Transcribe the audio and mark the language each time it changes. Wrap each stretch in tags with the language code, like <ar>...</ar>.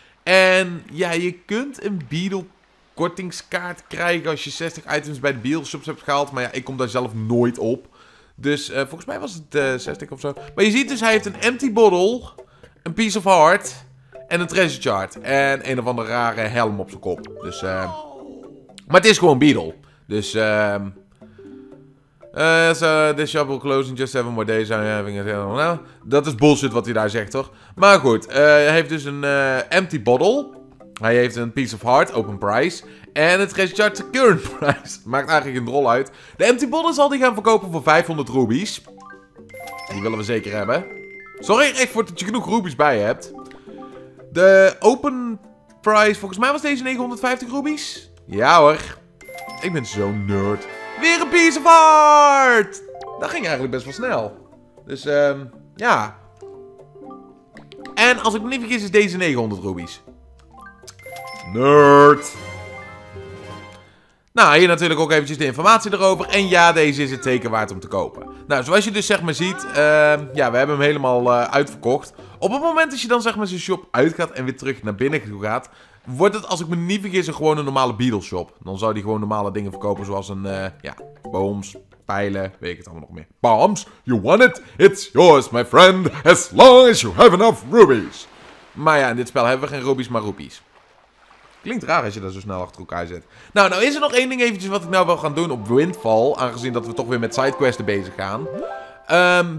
<nl>En ja, je kunt een Beetle kortingskaart krijgen als je 60 items bij de Beetle Shops hebt gehaald. Maar ja, ik kom daar zelf nooit op. Dus volgens mij was het 60 of zo. Maar je ziet dus, hij heeft een empty bottle, een piece of heart en een treasure chart. En een of andere rare helm op zijn kop. Dus, maar het is gewoon Beetle.</nl> <en>Dus, this shop will close in just 7 more days.</en> <nl>Dat is bullshit wat hij daar zegt, toch? Maar goed, hij heeft dus een empty bottle. Hij heeft een piece of heart, open price. En het treasure chart, current price. Maakt eigenlijk een rol uit. De empty bottle zal hij gaan verkopen voor 500 rubies. Die willen we zeker hebben. Zorg er echt voor dat je genoeg rubies bij hebt. De open price, volgens mij was deze 950 rubies. Ja hoor. Ik ben zo'n nerd. Weer een piece of heart! Dat ging eigenlijk best wel snel. Dus, ja. En als ik me niet vergis is deze 900 rubies. Nerd! Nou, hier natuurlijk ook eventjes de informatie erover. En ja, deze is het teken waard om te kopen. Nou, zoals je dus zeg maar ziet, ja, we hebben hem helemaal uitverkocht. Op het moment dat je dan zeg maar zijn shop uitgaat en weer terug naar binnen gaat... Wordt het, als ik me niet vergis, een gewoon een normale Beetle Shop. Dan zou die gewoon normale dingen verkopen, zoals een, ja, booms, pijlen, weet ik het allemaal nog meer.</nl> <en>Bombs, you want it? It's yours, my friend, as long as you have enough rubies.</en> <nl>Maar ja, in dit spel hebben we geen rubies, maar rupees. Klinkt raar als je dat zo snel achter elkaar zet. Nou is er nog één ding eventjes wat ik nou wil gaan doen op Windfall, aangezien dat we toch weer met sidequests bezig gaan.</nl>